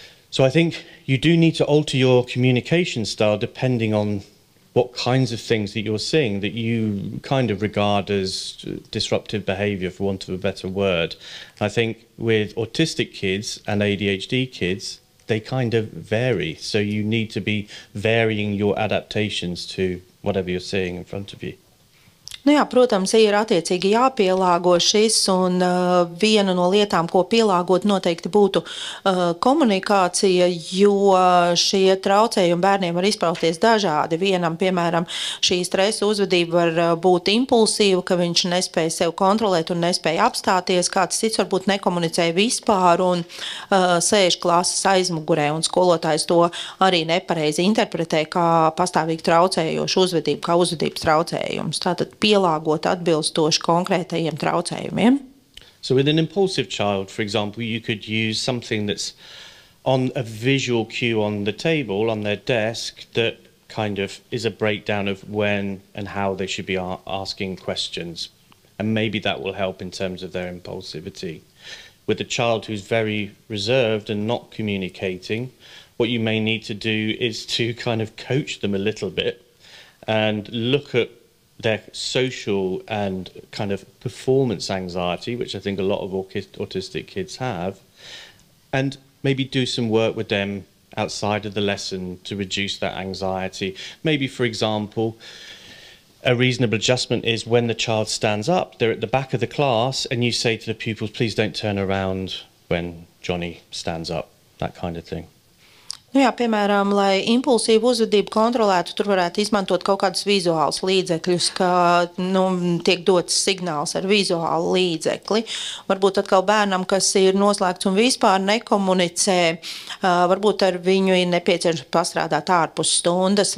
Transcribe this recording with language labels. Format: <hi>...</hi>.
<en>So I think you do need to alter your communication style depending on what kinds of things that you're seeing that you kind of regard as disruptive behavior, for want of a better word. I think with autistic kids and ADHD kids, they kind of vary. So you need to be varying your adaptations to whatever you're seeing in front of you.</en> <lv>Nu jā, protams, ir attiecīgi jāpielāgo šis, un viena no lietām, ko pielāgot, noteikti būtu komunikācija, jo šie traucējumi bērniem var izpausties dažādi. Vienam, piemēram, šī stresa uzvedība var būt impulsīva, ka viņš nespēja sev kontrolēt un nespēja apstāties, kāds cits varbūt nekomunicē vispār un sēž klases aizmugurē, un skolotājs to arī nepareizi interpretē, kā pastāvīgi traucējošu uzvedību, kā uzvedības traucējums. Tātad pielāgot atbilstoši konkrētajiem traucējumiem.</lv> <en>So with an impulsive child, for example, you could use something that's on a visual cue on the table, on their desk, that kind of is a breakdown of when and how they should be asking questions. And maybe that will help in terms of their impulsivity. With a child who's very reserved and not communicating, what you may need to do is to kind of coach them a little bit and look at their social and kind of performance anxiety, which I think a lot of autistic kids have, and maybe do some work with them outside of the lesson to reduce that anxiety. Maybe, for example, a reasonable adjustment is when the child stands up, they're at the back of the class, and you say to the pupils, please don't turn around when Johnny stands up, that kind of thing.</en> <lv>Nu jā, piemēram, lai impulsīvu uzvedību kontrolētu, tur varētu izmantot kaut kādus vizuālus līdzekļus, ka nu, tiek dots signāls ar vizuālu līdzekli. Varbūt atkal bērnam, kas ir noslēgts un vispār nekomunicē, varbūt ar viņu ir nepieciešams pastrādāt ārpus stundas.</lv>